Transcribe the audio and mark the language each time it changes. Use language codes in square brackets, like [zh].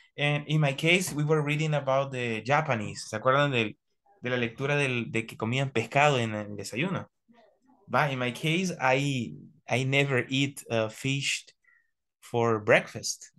[en] And in my case, we were reading about the Japanese. [es] ¿Se acuerdan de la lectura de que comían pescado en el desayuno? [en] But in my case, I never eat fish for breakfast.